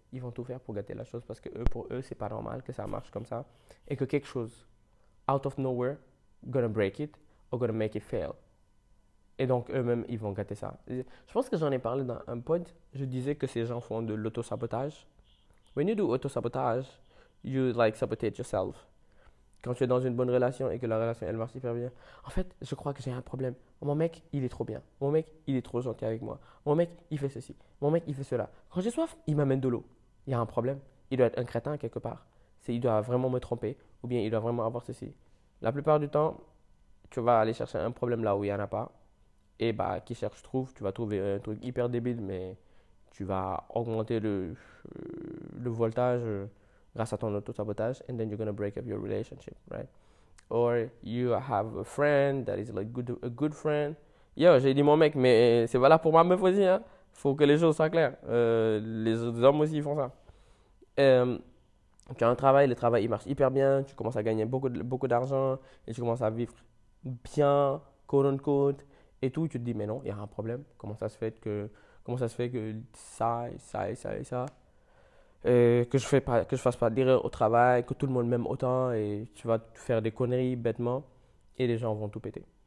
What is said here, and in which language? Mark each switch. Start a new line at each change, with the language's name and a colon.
French: Ils vont tout faire pour gâter la chose parce que pour eux, c'est pas normal que ça marche comme ça. Et que quelque chose,
English: out of nowhere, gonna break it or gonna make it fail.
French: Et donc eux-mêmes, ils vont gâter ça. Je pense que j'en ai parlé dans un pod. Je disais que ces gens font de l'auto-sabotage.
English: When you do auto-sabotage, you like sabotage yourself.
French: Quand tu es dans une bonne relation et que la relation elle marche super bien. En fait, je crois que j'ai un problème. Mon mec, il est trop bien. Mon mec, il est trop gentil avec moi. Mon mec, il fait ceci. Mon mec, il fait cela. Quand j'ai soif, il m'amène de l'eau. Il y a un problème. Il doit être un crétin quelque part. Il doit vraiment me tromper ou bien il doit vraiment avoir ceci. La plupart du temps, tu vas aller chercher un problème là où il n'y en a pas. Et bah, qui cherche trouve, tu vas trouver un truc hyper débile, mais tu vas augmenter le voltage grâce à ton auto-sabotage,
English: and then you're gonna break up your relationship, right? Or you have a friend that is like a good friend.
French: Yo, j'ai dit mon mec, mais c'est valable pour ma meuf aussi, hein? Faut que les choses soient claires. Les autres hommes aussi font ça. Tu as un travail, le travail il marche hyper bien, tu commences à gagner beaucoup d'argent et tu commences à vivre bien, quote unquote. Et tout, tu te dis, mais non, il y a un problème. Comment ça se fait que ça, et ça, et ça, et ça, que je fasse pas d'erreur au travail, que tout le monde m'aime autant, et tu vas faire des conneries bêtement, et les gens vont tout péter.